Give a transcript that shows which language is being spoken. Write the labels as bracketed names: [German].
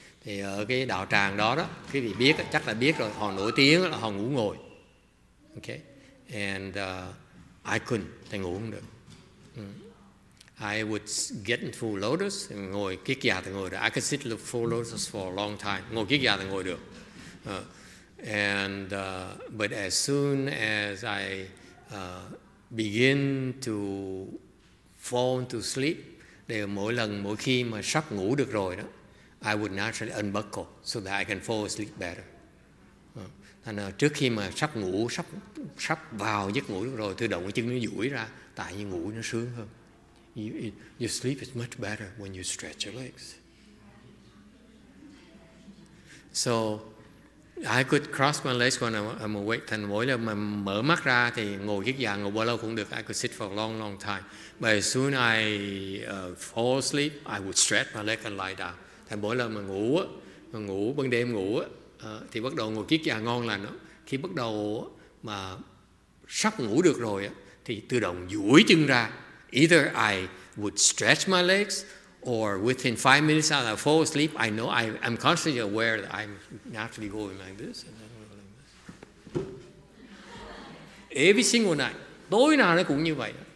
[Vietnamese] Thì ở cái đạo tràng đó đó, quý vị biết chắc là biết rồi, họ nổi tiếng là họ ngủ ngồi. Okay. [English] And I couldn't, [Vietnamese] thầy ngủ không được. [English] I would get into lotus and [Vietnamese] ngồi kiết già thì ngồi được. [English] I could sit look for lotus for a long time. [Vietnamese] Ngồi kiết già thì ngồi được. [English] But as soon as I begin to fall to sleep, [Vietnamese] thì mỗi lần mỗi khi mà sắp ngủ được rồi đó, [English] I would naturally unbuckle so that I can fall asleep better. [Vietnamese] Thành ra trước khi mà sắp ngủ, sắp vào giấc ngủ được rồi, tự động chân nó duỗi ra, tại vì ngủ nó sướng hơn. [English] Your sleep is much better when you stretch your legs. So, I could cross my legs when I'm awake. [Vietnamese] Thành mỗi lần mà mở mắt ra thì ngồi giấc dài, ngồi bao lâu cũng được. [English] I could sit for a long, long time. But as soon as I fall asleep, I would stretch my leg and lie down. [Vietnamese] Thành mỗi lần mà ngủ, ban đêm ngủ, thì bắt đầu ngồi giấc dài ngon lành. Khi bắt đầu mà sắp ngủ được rồi, thì tự động duỗi chân ra. [English] Either I would stretch my legs, or within 5 minutes after I fall asleep, I know I'm constantly aware that I'm naturally going like this. And then going like this. Every single night, [Vietnamese] tối nào nó cũng như vậy.